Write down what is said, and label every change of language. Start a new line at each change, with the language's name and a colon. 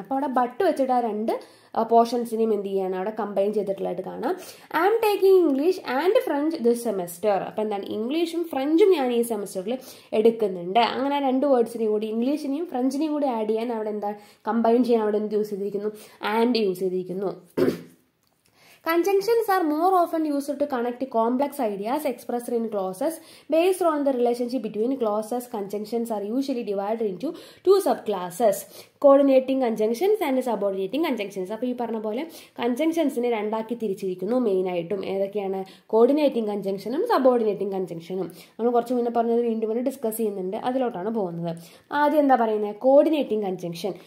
Malayalam: അപ്പോൾ അവിടെ ബട്ട് വെച്ചിട്ട് ആ രണ്ട് പോർഷൻസിനെയും എന്ത് ചെയ്യാണ് അവിടെ കമ്പൈൻ ചെയ്തിട്ടുള്ളതായിട്ട് കാണാം.
English: I'm taking English and French this semester.
Malayalam: അപ്പോൾ എന്താണ്, ഇംഗ്ലീഷും ഫ്രഞ്ചും ഞാൻ ഈ സെമസ്റ്ററിൽ എടുക്കുന്നുണ്ട്. അങ്ങനെ രണ്ട് വേർഡ്സിനെയും കൂടി ഇംഗ്ലീഷിനെയും ഫ്രഞ്ചിനെയും കൂടി ആഡ് ചെയ്യാൻ അവിടെ എന്താ കമ്പൈൻ ചെയ്യാൻ അവിടെ എന്ത് യൂസ് ചെയ്തിരിക്കുന്നു, ആൻഡ് യൂസ് ചെയ്തിരിക്കുന്നു.
English: Conjunctions are more often used to connect complex ideas expressed in clauses. Based on the relationship between clauses, conjunctions are usually divided into two subclasses.
Malayalam: Coordinating conjunctions and subordinating conjunctions. അപ്പോൾ ഈ പറഞ്ഞ പോലെ കൺജങ്ഷൻസിനെ രണ്ടാക്കി തിരിച്ചിരിക്കുന്നു മെയിനായിട്ടും. ഏതൊക്കെയാണ്, coordinating കൺജങ്ഷനും subordinating കൺജങ്ഷനും. നമ്മൾ കുറച്ച് മുന്നേ പറഞ്ഞത് വീണ്ടും വന്ന് ഡിസ്കസ് ചെയ്യുന്നുണ്ട്, അതിലോട്ടാണ് പോകുന്നത്. ആദ്യം എന്താ പറയുന്നത്, കോർഡിനേറ്റിംഗ് കൺജങ്ഷൻ.